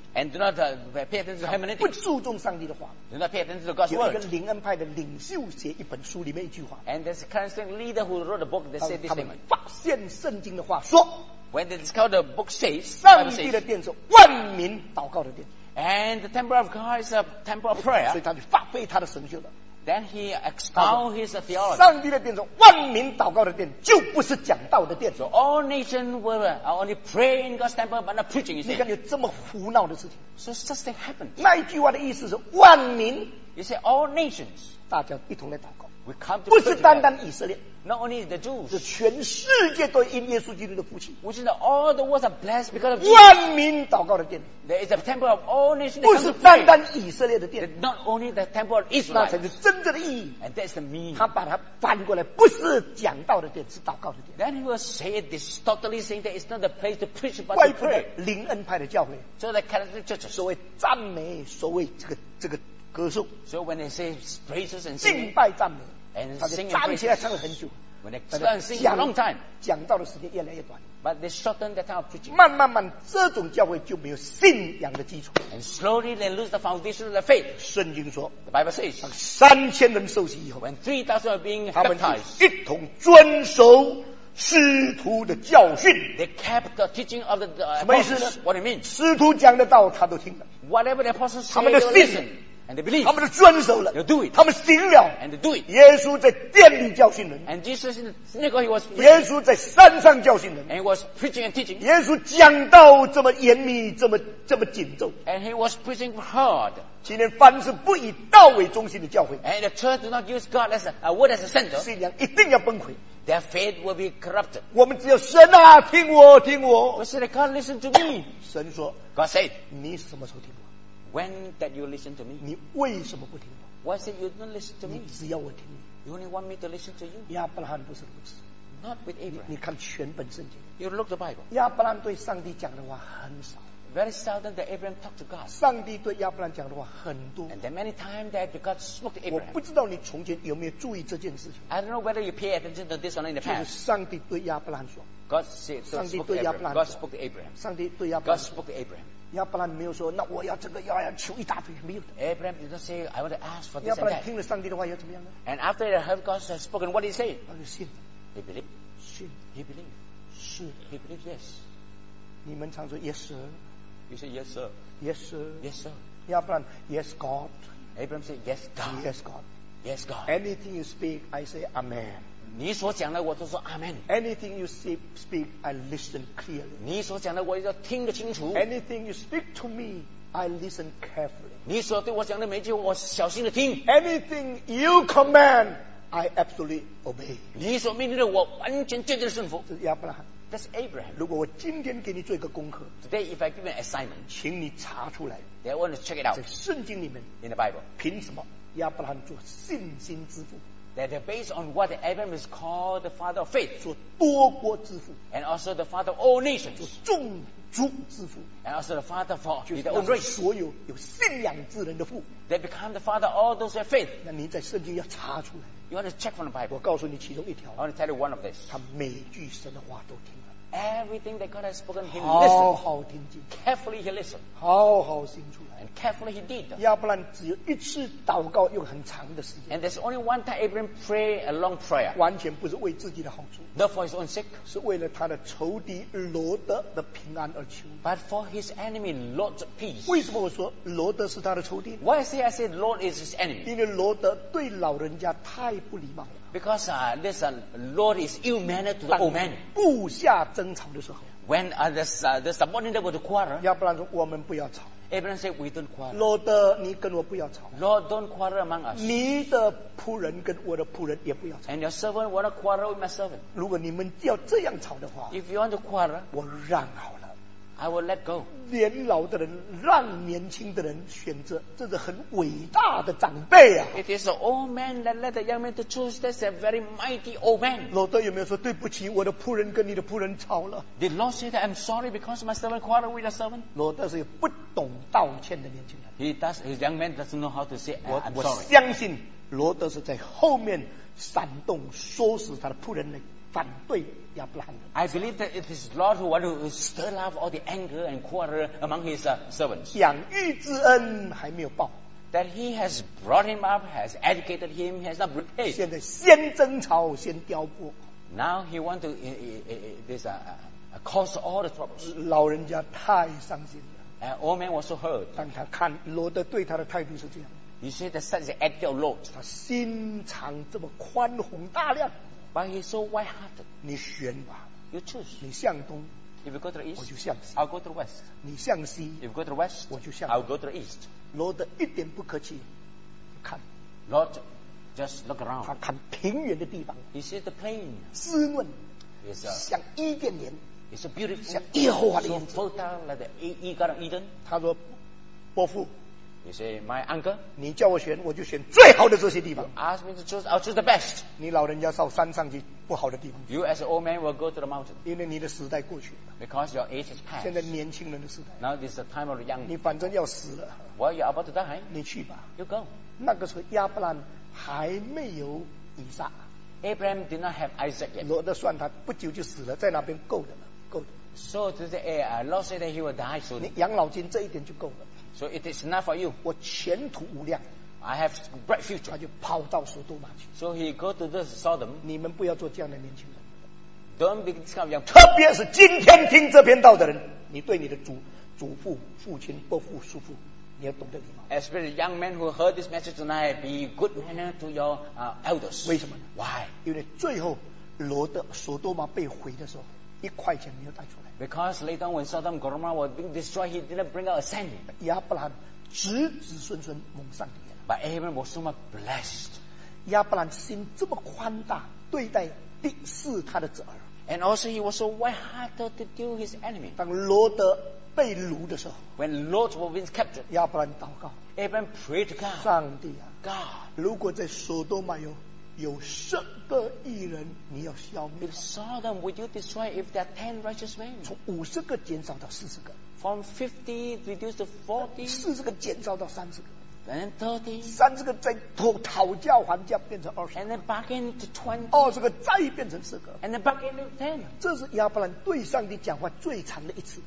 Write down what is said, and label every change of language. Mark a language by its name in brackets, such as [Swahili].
[English] And do not pay attention to hermeneutics. [Chinese] 不注重上帝的话。 [English] Do not pay attention to God's word. [Chinese] 有一个灵恩派的领袖写一本书里面一句话。 [English] And there's a Christian leader who wrote a book that said this statement. [Chinese] 他们发现圣经的话说。 [English] When they discover the book says, [Chinese] 上帝的殿是万民祷告的殿。 [English] And the temple of God is a temple of prayer. [Chinese] 所以他就发挥他的神学了。 [English] Then he expounded his theology. [Chinese] 上帝的殿是万民祷告的殿，就不是讲道的殿。 [English] So all nations were only praying in God's temple, but not preaching. [Chinese] 你看有这么胡闹的事情。 [English] So such thing happened. [Chinese] 那一句话的意思是万民。 [English] He said all nations. [Chinese] 大家一同来祷告。 [English] We come to [Chinese] 不是单单以色列。 [English] Not only the Jews. [Chinese] 是全世界都因耶稣基督的福气。 [English] Which is that all the world are blessed because of Jesus. [Chinese] 万民祷告的殿。 [English] There is a temple of all nations. [Chinese] 不是单单以色列的殿。 [English] Not only the temple of Israel. [Chinese] 那才是真正的意义。 [English] And that's the meaning. [Chinese] 他把它翻过来，不是讲道的殿，是祷告的殿。 [English] Then he will say this, totally saying that it's not the place to preach, but to pray. [Chinese] 外部的灵恩派的教会。 [English] So the Catholic churches. [Chinese] 所谓赞美，所谓这个歌颂。 [English] So when they say praises and singing, [Chinese] 敬拜赞美。 [English] And [Chinese] 他就站起来唱了很久 [English] When they start and sing for a long time, [Chinese] 讲道的时间越来越短 [English] But they shorten the time of preaching [Chinese] 慢慢这种教会就没有信仰的基础 [English] And slowly they lose the foundation of the faith [Chinese] 圣经说 [English] The Bible says [Chinese] 当三千人受洗以后 [English] When 3,000 are being baptized [Chinese] 他们一同遵守师徒的教训 [English] They kept the teaching of the apostles [Chinese] 什么意思呢 [English] What do you mean [Chinese] 师徒讲的道他都听了 [English] Whatever the apostles say [Chinese] 他们的 [English] listen And they believe. [Chinese] 他们都遵守了 [English] They'll do it. [Chinese] 他们行了 [English] And they do it. [Chinese] 耶稣在殿里教训人 [English] And Jesus in the synagogue he was preaching. [Chinese] 耶稣在山上教训人 [English] And he was preaching and teaching. [Chinese] 耶稣讲道这么严密这么紧凑 [English] And he was preaching hard. [Chinese] 今天凡是不以道为中心的教会 [English] And the church do not use God as a word as a center. [Chinese] 信仰一定要崩溃 [English] Their faith will be corrupted. [Chinese] 我们只有神啊听我 [English] We said, God listen to me. [Chinese] 神说 [English] God said, [Chinese] 你什么时候听我 [English] When that you listen to me? [Chinese] 你为什么不听我 [English] Why say you don't listen to me? [Chinese] 你只要我听你 [English] You only want me to listen to you? [Chinese] 亚伯拉罕不是如此 [English] Not with Abraham [Chinese] 你看全本圣经 [English] You look the Bible [Chinese] 亚伯拉罕对上帝讲的话很少 [English] Very seldom that Abraham talked to God [Chinese] 上帝对亚伯拉罕讲的话很多 [English] And then many times that God spoke to Abraham [Chinese] 我不知道你从前有没有注意这件事情 [English] I don't know whether you pay attention to this or not in the past [Chinese] 就是上帝对亚伯拉罕说 [English] God said, so [Chinese] 上帝对亚伯拉罕 [English] God spoke to Abraham [Chinese] 上帝对亚伯拉罕 [English] God spoke to Abraham [Chinese] 亚伯兰没有说，那我要这个要求一大堆，没有的。 [English] Abraham did not say, I want to ask for this. [Chinese] 亚伯兰听了上帝的话要怎么样呢 [English] ？And after he heard God has spoken, what did he say? [Chinese] 他就信。 [English] He believed. [Chinese] 信。 [English] He believed. [Chinese] 是。 [English] He believed yes. [Chinese] 你们常说 [English] yes sir. You say yes sir. Yes sir. Yes sir. [Chinese] 亚伯兰 [English] yes God. Abraham said yes God. Yes God. Yes God. Anything you speak, I say amen. [Chinese] 你所讲的我都说 Amen. [English] Anything you speak, I listen clearly. [Chinese] 你所讲的我要听得清楚。 [English] Anything you speak to me, I listen carefully. [Chinese] 你所对我讲的每句我小心地听。 [English] Anything you command, I absolutely obey. [Chinese] 你所命令的我完全渐渐顺服。这是亚伯拉罕。 [English] That's Abraham. [Chinese] 如果我今天给你做一个功课 [English] ，Today if I give you an assignment, [Chinese] 请你查出来。 [English] I want to check it out. [Chinese] 在圣经里面 [English] ，In the Bible, [Chinese] 凭什么亚伯拉罕做信心之父？ [English] That they're based on what Abraham is called the father of faith. [Chinese] 做多国之父 [English] And also the father of all nations. [Chinese] 做众族之父 [English] And also the father for the own race. [Chinese] 所有有信仰之人的父 [English] They become the father of all those who have faith. [Chinese] 那您在圣经要查出来 [English] You want to check from the Bible. [Chinese] 我告诉你其中一条 [English] I want to tell you one of this. [Chinese] 他每句神的话都听了 [English] Everything that God has spoken, he listened. [Chinese] 好好听进 [English] Carefully he listened. [Chinese] 好好听出来 [English] Carefully he did. [Chinese] 亚伯兰只有一次祷告，用很长的时间。 [English] And there's only one time Abraham prayed a long prayer. [Chinese] 完全不是为自己的好处。 [English] Not for his own sake. [Chinese] 是为了他的仇敌罗德的平安而求。 [English] But for his enemy Lot's peace. [Chinese] 为什么我说罗德是他的仇敌 [English] ？Why I say Lot is his enemy? [Chinese] 因为罗德对老人家太不礼貌了。 [English] Because listen, Lot is ill mannered to the old man. [Chinese] 部下争吵的时候。 [English] When the subordinate was quarrel. [Chinese] 亚伯兰说：“我们不要吵。” [English] Abraham said, "We don't quarrel." [Chinese] Lord, 你跟我不要吵。 [English] Lord, don't quarrel among us. [Chinese] 你的仆人跟我的仆人也不要吵。 [English] And your servant will not quarrel with my servant. [Chinese] 如果你们要这样吵的话 [English] ，If you want to quarrel, [Chinese] 我让好了。 [English] I will let go. [Chinese] 年老的人让年轻的人选择，这是很伟大的长辈啊。 [English] It is an old man that let the young man to choose. That's a very mighty old man. [Chinese] Lord, 有没有说对不起，我的仆人跟你的仆人吵了 [English] ？Did Lord say that I'm sorry because my servant quarrel with the servant? [Chinese] Lord, 是不。懂道歉的年轻人 [English] He does, his young man doesn't know how to say I'm sorry [Chinese] 我相信罗德是在后面煽动唆使他的仆人来反对亚伯拉罕。 [English] I believe that it is Lord who wanted to stir up all the anger and quarrel among his servants. [Chinese] 养育之恩还没有报。 [English] That he has brought him up, has educated him, has not repaid. [Chinese] 现在先争吵，先刁拨。 [English] Now he want to this cause all the troubles. [Chinese] 老人家太伤心了。 [English] And old man was so hurt. [Chinese] 当他看罗德对他的态度是这样。 [English] He said that such an attitude of Lord. [Chinese] 他心肠这么宽宏大量。 [English] But he's so wide hearted. [Chinese] 你选吧。 [English] You choose. [Chinese] 你向东。 [English] If you go to the east, [Chinese] 我就向西。 [English] I'll go to the west. [Chinese] 你向西。 [English] If you go to the west, [Chinese] 我就向。 [English] I'll go to the east. [Chinese] 罗德一点不客气，看。 [English] Lord, just look around. [Chinese] 他看平原的地方。 [English] He sees the plain. [Chinese] 滋润。 [English] It's a [Chinese] 像伊甸园。 [English] It's a beautiful. [Chinese] 像耶和华的样子。 [English] So fertile like the Garden of Eden. [Chinese] 他说，伯父。 [English] He say, my uncle. [Chinese] 你叫我选，我就选最好的这些地方。 [English] Ask me to choose, I'll choose the best. [Chinese] 你老人家到山上去不好的地方。 [English] You as an old man will go to the mountain. [Chinese] 因为你的时代过去。 [English] Because your age has passed. [Chinese] 现在年轻人的时代。 [English] Now this is the time of the young. [Chinese] 你反正要死了。 [English] While you're about to die. [Chinese] 你去吧。 [English] You go. [Chinese] 那个时候亚伯兰还没有以撒。 [English] Abraham did not have Isaac yet. [Chinese] 罗德算他不久就死了，在那边够的了，够的。 [English] So to say, Lord said that he will die soon. [Chinese] 你养老金这一点就够了。 [English] So it is enough for you. [Chinese] 我前途无量。 [English] I have bright future. [Chinese] 他就跑到索多玛去。 [English] So he go to this Sodom. [Chinese] 你们不要做这样的年轻人。 [English] Don't be this kind of young. [Chinese] 特别是今天听这篇道的人，你对你的祖父、父亲、伯父、叔父，你要懂得礼貌。 [English] Especially young men who heard this message tonight, be good manner to your elders. [Chinese] 为什么呢 [English] ？Why？ [Chinese] 因为最后罗德索多玛被毁的时候，一块钱没有带出来。 [English] Because later on when Sodom Gomorrah was being destroyed, he didn't bring out a cent. [Chinese] 亚伯兰子子孙孙蒙上帝。 [English] But Abraham was so much blessed. [Chinese] 亚伯兰心这么宽大，对待第四他的侄儿。 [English] And also he was so wide-hearted to deal with his enemy. [Chinese] 当罗德被掳的时候 [English] ，When Lot was being captured, [Chinese] 亚伯兰祷告。 [English] Abraham prayed to God. [Chinese] 上帝啊 [English] ，God， [Chinese] 如果在索多玛有十个义人，你要消灭。 [English] If Sodom, would you destroy if there are 10 righteous men? [Chinese] 从五十个减少到四十个。 [English] From 50 reduced to 40. [Chinese] 四十个减少到三十个。 [English] And 30. [Chinese] 三十个再讨价还价变成二十。 [English] And then bargain to 20. [Chinese] 二十个再变成四个。 [English] And then bargain to 10. [Chinese] 这是亚伯兰对上帝讲话最长的一次。